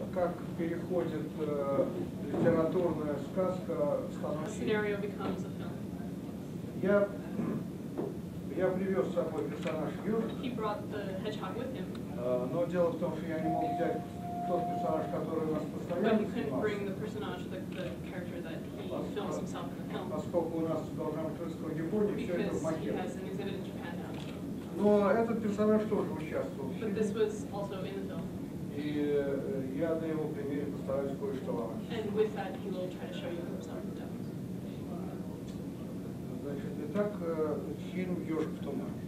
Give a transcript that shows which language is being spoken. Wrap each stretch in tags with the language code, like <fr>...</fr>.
<ru>Как переходит литературная сказка в сказку.</ru> <en>The scenario becomes a film.</en> <ru>Я привез с собой персонаж Юра.</ru> <en>He brought the hedgehog with him.</en> <ru>Но дело в том, что я не мог взять тот персонаж, который у нас постоянно.</ru> <en>But he couldn't bring the personage, the character that he films himself in the film.</en> <ru>Поскольку у нас должна быть выставка в Японии, все это в макете.</ru> <en>Because he has an exhibit in Japan now.</en> <ru>Но этот персонаж тоже участвовал.</ru> <en>But this was also in the film.</en> <ru>И я на его примере постараюсь кое-что вам.</ru> <en>And with that, he will try to show you some depth.</en> <ru>Значит, итак, фильм «Ёжик в тумане».</ru>